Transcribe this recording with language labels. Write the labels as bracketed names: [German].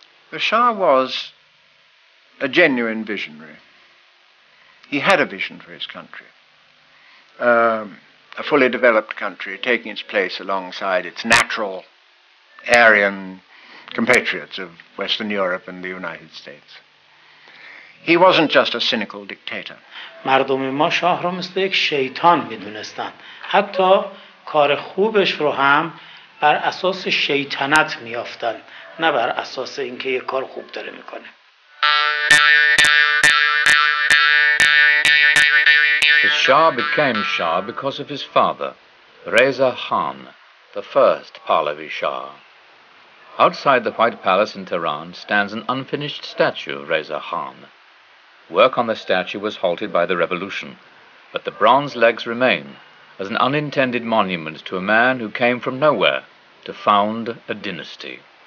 [English] The Shah was a genuine visionary. He had a vision for his country. A fully developed country taking its place alongside its natural Aryan compatriots of Western Europe and the United States. He wasn't just a cynical dictator. [Persian] مردم ما شاه رو مثل یک شیطان میدونستن. حتی کار خوبش رو هم بر اساس شیطنت میافتن، نه بر اساس اینکه یک کار خوب داره میکنه. [English] Shah became Shah because of his father, Reza Khan, the first Pahlavi Shah. Outside the White Palace in Tehran stands an unfinished statue of Reza Khan. Work on the statue was halted by the revolution, but the bronze legs remain as an unintended monument to a man who came from nowhere to found a dynasty.